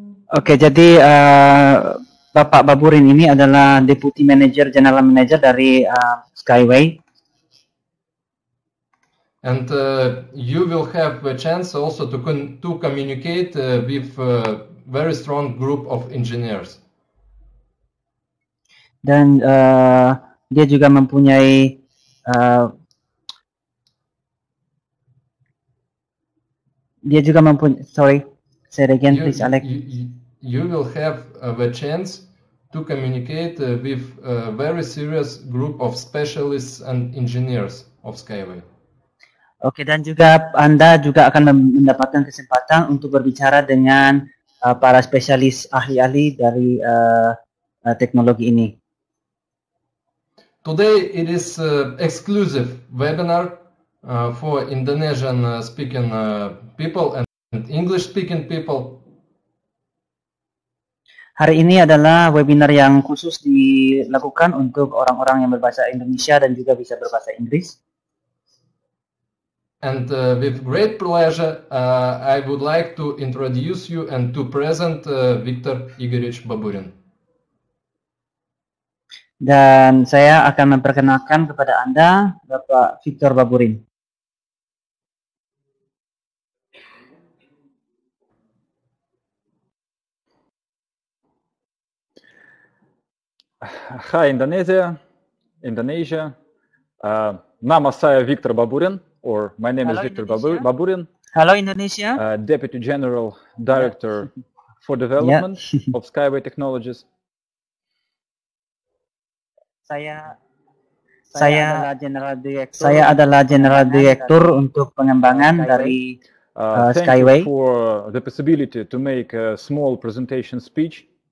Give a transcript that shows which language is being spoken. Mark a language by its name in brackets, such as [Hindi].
[Indonesian] Oke, jadi Bapak Baburin ini adalah Deputy Manager, General Manager dari Skyway. [English] And you will have a chance also to communicate with a very strong group of engineers. [Indonesian] Dan dia juga mempunyai dia juga mempunyai [English] sorry, say it again, please, Alex. You will have the chance to communicate with a very serious group of specialists and engineers of Skyway. [Indonesian] Okay, dan juga Anda juga akan mendapatkan kesempatan untuk berbicara dengan para spesialis ahli-ahli dari teknologi ini. [English] Today it is an exclusive webinar for Indonesian speaking people and English speaking people. [Indonesian] Hari ini adalah webinar yang khusus dilakukan untuk orang-orang yang berbahasa Indonesia dan juga bisa berbahasa Inggris. [English] And with great pleasure, I would like to introduce you and to present Viktor Igorevich Baburin. [Indonesian] Dan saya akan memperkenalkan kepada Anda Bapak Viktor Baburin. [English] Hi Indonesia. Namaste, Viktor Baburin, or my name Hello, is Viktor Indonesia. Baburin. Hello Indonesia. Deputy General Director for Development of Skyway Technologies. [Indonesian] Saya adalah General Director untuk pengembangan dari Skyway. [English] Thank you for the possibility to make a small presentation speech.